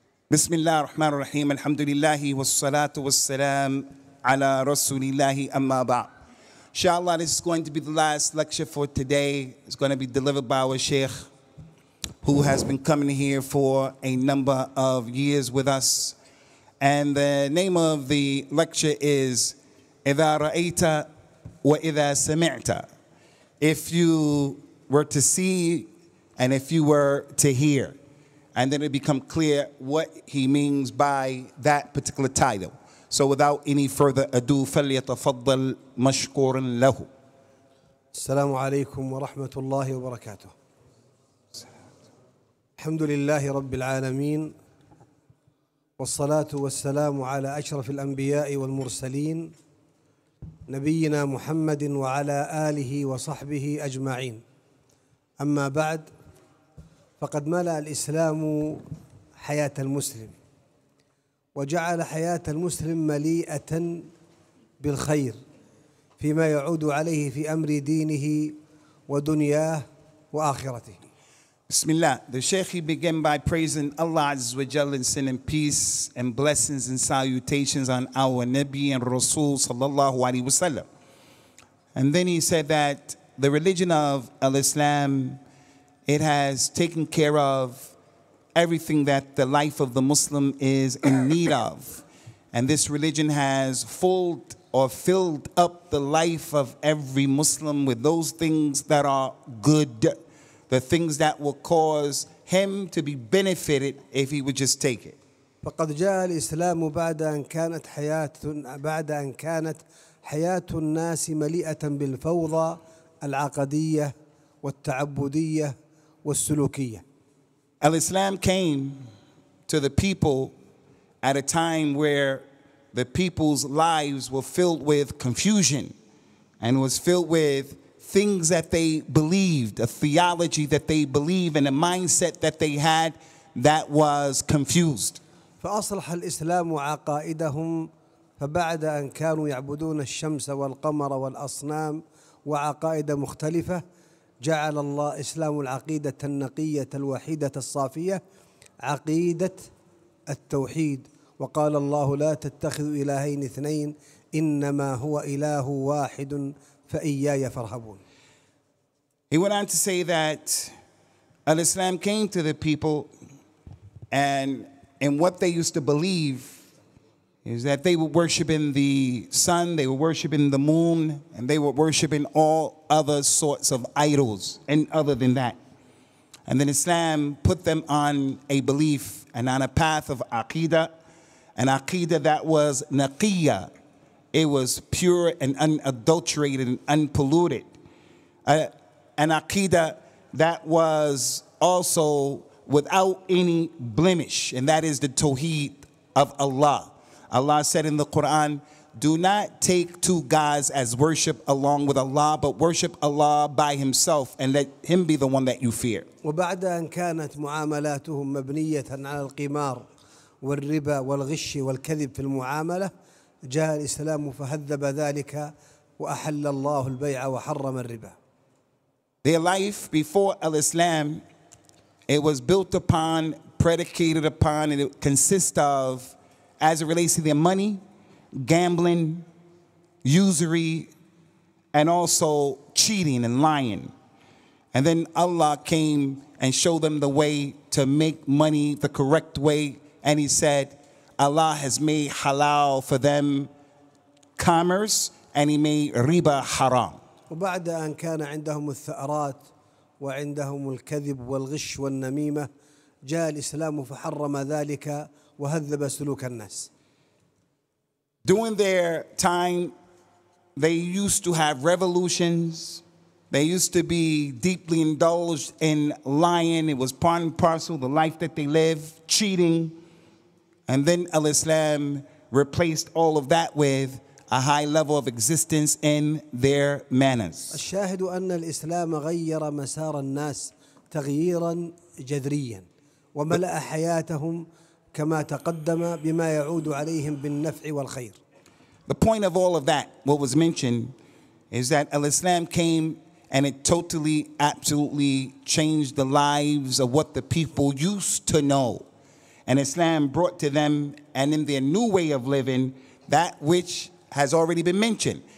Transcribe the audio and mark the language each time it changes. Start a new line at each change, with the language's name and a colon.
Arabic: بسم الله الرحمن الرحيم الحمد لله والصلاة والسلام على رسول الله أما بعد.
English: Inshallah, this is going to be the last lecture for today. It's going to be delivered by our Shaykh, who has been coming here for a number of years with us. And the name of the lecture is
Arabic: إذا رأيت وإذا سمعت.
English: If you were to see and if you were to hear. And then it become clear what he means by that particular title. So without any further ado,
Arabic: فليتفضل مشكورا له. السلام عليكم ورحمة الله وبركاته. الحمد لله رب العالمين والصلاة والسلام على أشرف الأنبياء والمرسلين نبينا محمد وعلى آله وصحبه أجمعين. أما بعد فقد ملأ الإسلام حياة المسلم وجعل حياة المسلم مليئة بالخير فيما يعود عليه في أمر دينه ودنياه وآخرته.
English: Bismillah. The Shaykh, he began by praising Allah Azza wa Jalla and sending peace and blessings and salutations on our Nabi and Rasul sallallahu alayhi wa sallam. And then he said that the religion of al-Islam, it has taken care of everything that the life of the Muslim is in need of. And this religion has filled up the life of every Muslim with those things that are good, the things that will cause him to be benefited if he would just take it.
Arabic: فقد جاء الإسلام بعد أن كانت حياة بعد أن كانت حياة الناس مليئة بالفوضى العقدية والتعبدية والسلوكية.
English: Al-Islam came to the people at a time where the people's lives were filled with confusion and was filled with things that they believed, a theology that they believed and a mindset that they had that was confused.
Arabic: فأصلح الإسلام عقائدهم فبعد أن كانوا يعبدون الشمس والقمر والأصنام وعقائد مختلفة جعل الله إسلام العقيدة النقية الوحيدة الصافية عقيدة التوحيد وقال الله لا تتخذوا إلهين اثنين إنما هو إله واحد فإياي فارهبون.
English: He went on to say that al-Islam came to the people and in what they used to believe is that they were worshiping the sun, they were worshiping the moon, and they were worshiping all other sorts of idols and other than that. And then Islam put them on a belief and on a path of aqidah, an aqidah that was naqiyya. It was pure and unadulterated and unpolluted. An aqidah that was also without any blemish, and that is the tawheed of Allah. Allah said in the Quran, do not take two gods as worship along with Allah, but worship Allah by himself and let him be the one that you fear.
Arabic: وبعد أن كانت معاملاتهم مبنية على القمار والربا والغش والكذب في المعاملة جاء الإسلام فهذب ذلك وأحل الله البيع وحرم الربا.
English: Their life before al-Islam, it was built upon, predicated upon, and it consists of as it relates to their money, gambling, usury, and also cheating and lying. And then Allah came and showed them the way to make money the correct way. And he said, Allah has made halal for them commerce, and he made riba haram.
Arabic: وبعد أن كان عندهم الثأرات وعندهم الكذب والغش والنميمة جاء الإسلام فحرم ذلك وهذب سلوك الناس.
English: During their time, they used to have revolutions. They used to be deeply indulged in lying. It was part and parcel of the life that they lived, cheating. And then al-Islam replaced all of that with a high level of existence in their manners.
Arabic: الشاهد أن الإسلام غير مسار الناس تغييرا جذريا وملأ حياتهم كما تقدم بما يعود عليهم بالنفع والخير.
English: The point of all of that, what was mentioned, is that al-Islam came and it totally, absolutely changed the lives of what the people used to know. and Islam brought to them and in their new way of living that which has already been mentioned.